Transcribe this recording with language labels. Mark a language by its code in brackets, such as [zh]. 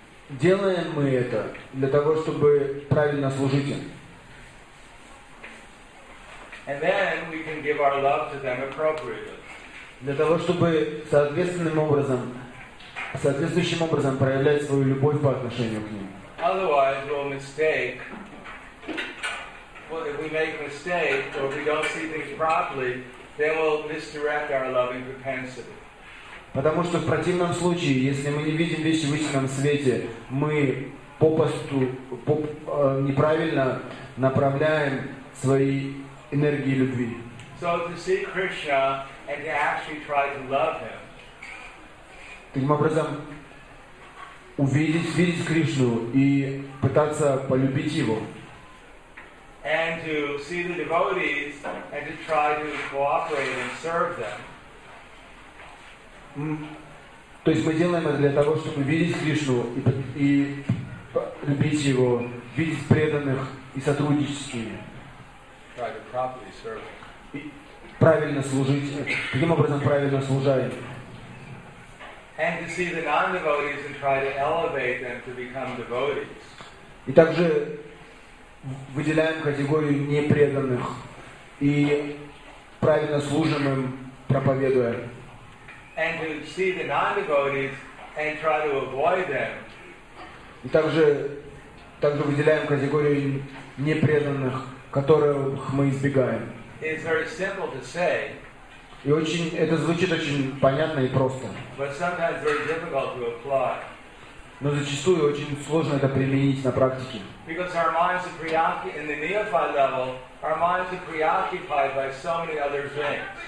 [ru] Делаем мы это для того, чтобы правильно служить им. [en] And then we can give our love to them appropriately. [ru] Для того, чтобы соответствующим образом проявлять свою любовь по отношению к ним. [en] Otherwise we'll mistake. Well, if we make mistakes or if we don't see things properly, then we'll misdirect our loving propensity. [ru] Потому что в противном случае, если мы не видим вещи в истинном свете, мы неправильно направляем свои энергии любви. [en] So to see Krishna and to actually try to love him. [ru] Таким образом, увидеть Кришну и пытаться полюбить его. [en] And to see the devotees and to try to cooperate and serve them. [ru] То есть мы делаем это для того, чтобы видеть Кришну и любить его, видеть преданных и сотрудничать с ними. [en] Try to properly serve. [ru] Правильно служить. Каким образом правильно служаем? [en] And to see the non-devotees and try to elevate them to become devotees. [ru] И также выделяем категорию непреданных и правильно служим им, проповедуя. [en] And to see the non-devotees and try to avoid them. [ru] И также также выделяем категорию непреданных, которых мы избегаем. [en] It's very simple to say. [ru] И очень, это звучит очень понятно и просто. [en] But sometimes very difficult to apply. [ru] Но зачастую очень сложно это применить на практике. [en] Because our minds are preoccupied in the neophyte level, our minds are preoccupied by so many other things.